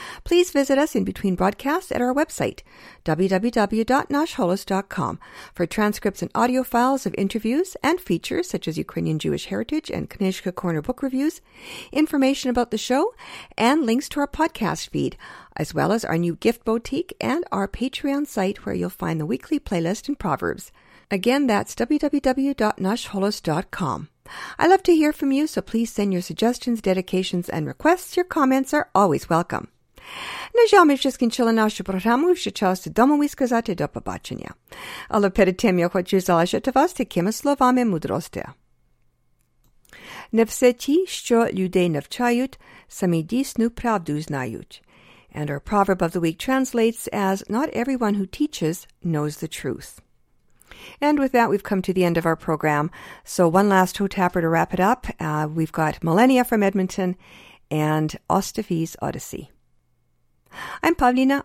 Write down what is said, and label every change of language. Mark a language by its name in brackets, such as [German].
[English] Please visit us in between broadcasts at our website, www.nashholos.com, for transcripts and audio files of interviews and features such as Ukrainian Jewish Heritage and Knishka Corner book reviews, information about the show, and links to our podcast feed, as well as our new gift boutique and our Patreon site where you'll find the weekly playlist and proverbs. Again, that's www.nashholos.com. I love to hear from you, so please send your suggestions, dedications, and requests. Your comments are always welcome. [Ukrainian] На жаль, ми ще скінчили нашу програму, і ще час додому ми сказати до побачення. Але перед тим я хочу залишити вас такими словами мудрості. Не все ті, що людей навчають, самі дійсну правду знають. [English] And our proverb of the week translates as, not everyone who teaches knows the truth. And with that, we've come to the end of our program. So one last ho-tapper to wrap it up. We've got Millennia from Edmonton and Ostafi's Odyssey. I'm Pavlina.